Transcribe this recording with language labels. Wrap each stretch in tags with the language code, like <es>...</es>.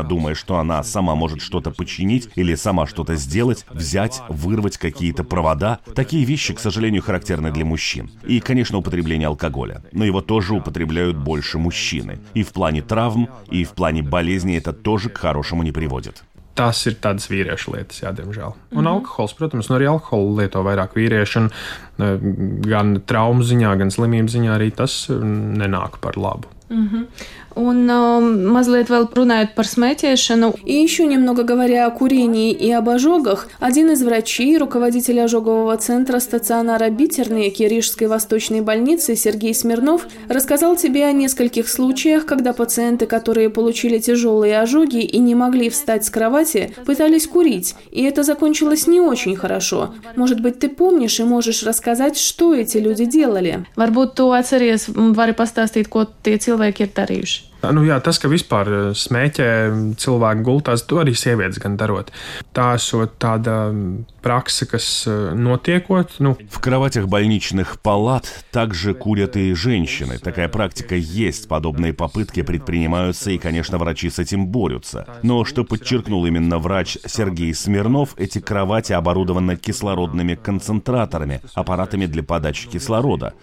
<ru>Думая, что она сама может что-то починить или сама что-то сделать, взять, вырвать какие-то провода. Такие вещи, к сожалению, характерны для мужчин. И, конечно, употребление алкоголя. Но его тоже употребляют больше мужчины. И в плане травм, и в плане болезни это тоже к хорошему не приводит.</ru> <lv>Tas ir tāds vīriešu lietas, jā, diemžēl. Un alkohols, protams, arī alkoholu lieto vairāk vīriešu, gan traumu ziņā, gan slimību ziņā arī tas nenāk par labu. Un mazliet vēl runājot par smēķēšanu.</lv> <ru>Ещё немного говоря о курении и об ожогах, один из врачей, руководитель ожогового центра стационара Битерники Рижской восточной больницы Сергей Смирнов рассказал тебе о нескольких случаях, когда пациенты, которые получили тяжелые ожоги и не могли встать с кровати, пытались курить, и это закончилось не очень хорошо. Может быть, ты помнишь и можешь рассказать, что эти люди делали?</ru> <lv>Варбут ту ацерес вари пастастит, ко те цилвеки ир дариш. Nu jā, tas, ka vispār smēķē cilvēku gultās, to arī sievietes gan darot. Tā esot tāda praksa, kas notiekot, nu...</lv> <ru>В кроватях больничных палат также курят и женщины. Такая практика есть, подобные попытки предпринимаются, и, конечно, врачи с этим борются. Но, что подчеркнул именно врач Сергей Смирнов, эти кровати оборудованы кислородными концентраторами, аппаратами для подачи кислорода.</ru>